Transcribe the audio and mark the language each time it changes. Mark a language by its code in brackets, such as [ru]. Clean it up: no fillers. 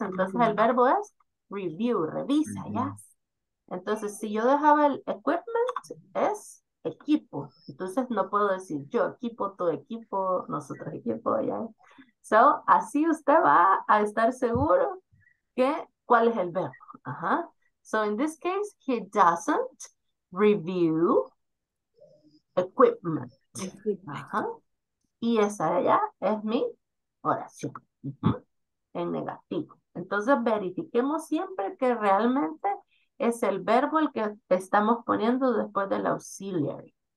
[es] Entonces el verbo es review, revisa, ¿yes? Entonces si yo dejaba el equipment, es equipo. Entonces no puedo decir yo equipo, tu equipo, nosotros equipo, ¿yes? So, así usted va a estar seguro que cuál es el verbo. Ajá. [en] So, in this case, he doesn't review equipment. Ajá. [es] Y esa ya es mi oración, en negativo. Entonces verifiquemos siempre que realmente es el verbo el que estamos poniendo después del auxiliary.